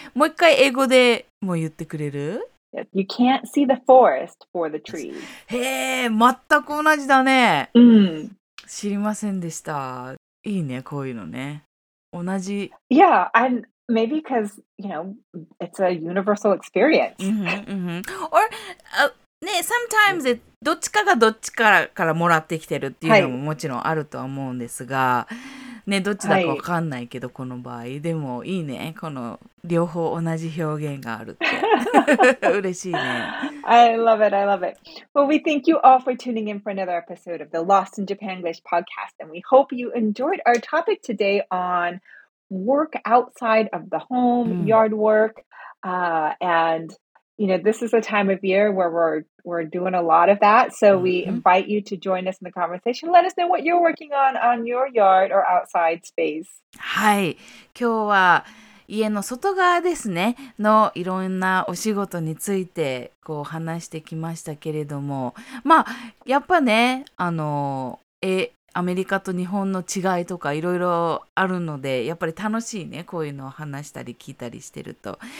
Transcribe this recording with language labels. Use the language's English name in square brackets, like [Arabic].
[Japanese] もう一回英語でも言ってくれる？ [English] You can't see the forest for the trees. [Japanese] へえ、全く同じだね。うん。知りませんでした。いいね、こういうのね。同じ。 [English] Yeah, and maybe because you know it's a universal experience. [Japanese] Or ね、 [English] sometimes it [Japanese] どっちかがどっちから、からもらってきてるっていうのももちろんあるとは思うんですが、はい、ね、どっちだかわかんないけど、はい、この場合。でもいいね、この両方同じ表現があるって。嬉しいね。 [English] I love it, I love it. Well, we thank you all for tuning in for another episode of the Lost in Japan English podcast, and we hope you enjoyed our topic today on work outside of the home,、うん、yard work,、and... You know, this is a time of year where we're doing a lot of that. So、mm-hmm. we invite you to join us in the conversation. Let us know what you're working on your yard or outside space. [Japanese] はい。今日は家の外側ですね。のいろんなお仕事についてこう話してきましたけれども。まあ、やっぱね、あの、アメリカと日本の違いとかいろいろあるのでやっぱり楽しいね、こういうのを話したり聞いたりしてると。